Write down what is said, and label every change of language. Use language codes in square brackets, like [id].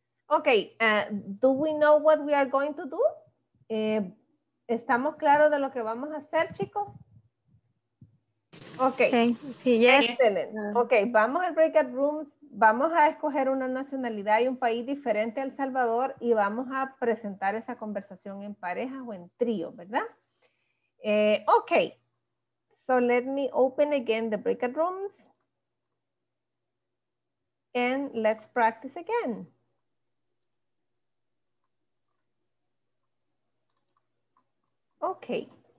[en] Okay, do we know what we are going to do? [es] ¿Estamos claros de lo que vamos a hacer, chicos? [en] Okay. Okay. Yes. Excellent. [es] Okay, vamos al breakout rooms, vamos a escoger una nacionalidad y un país diferente a El Salvador y vamos a presentar esa conversación en pareja o en trío, ¿verdad? [en] Okay, so let me open again the breakout rooms and let's practice again. Okay.